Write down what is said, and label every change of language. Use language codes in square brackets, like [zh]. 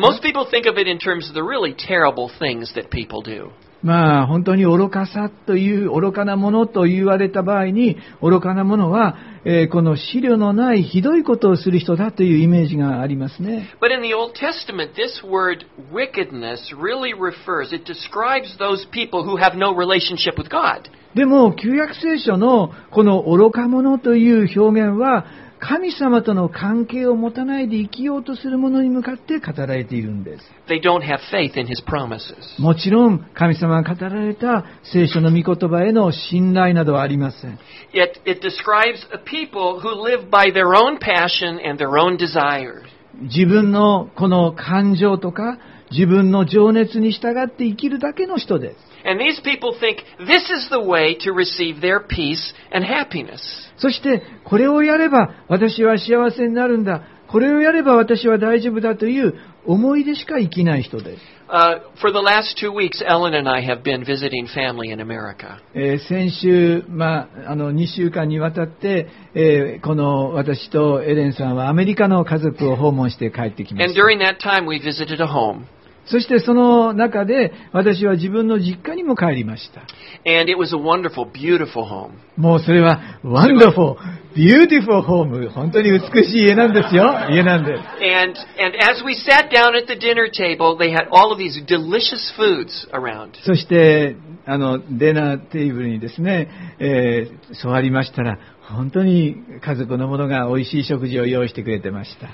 [en] Most people think of it in terms of the really terrible things that people do. [ja] まあ、本当に愚かさという愚かなものと言われた場合に、愚かなものは、この思慮のないひどいことをする人だというイメージがありますね。 [en] But in the Old Testament, this word wickedness really refers, it describes those people who have no relationship with God. [ja] でも旧約聖書のこの愚か者という表現は、神様との関係を持たないで生きようとする者に向かって語られているんです。 [en] They don't have faith in his promises. [ja] もちろん神様が語られた聖書の御言葉への信頼などはありません。 [en] It describes a people who live by their own passion and their own desires. [ja] 自分のこの感情とか自分の情熱に従って生きるだけの人です。 [en] And these people think this is the way to receive their peace and happiness. [ja] そしてこれをやれば私は幸せになるんだ、これをやれば私は大丈夫だという思いでしか生きない人です。 [en] For the last two weeks, Ellen and I have been visiting family in America. [ja] 先週、まあ、あの2週間にわたって、この私とエレンさんはアメリカの家族を訪問して帰ってきました。 [en] And during that time, we visited a home. [ja] そしてその中で私は自分の実家にも帰りました。 [en] And it was a wonderful, beautiful home. [ja] もうそれは [en] wonderful, beautiful home. [ja] 本当に美しい家なんですよ。家なんです。 [en] And as we sat down at the dinner table, they had all of these delicious foods around. [ja] そしてあのディナーテーブルにですね、座りましたら本当に家族のものが美味しい食事を用意してくれてました。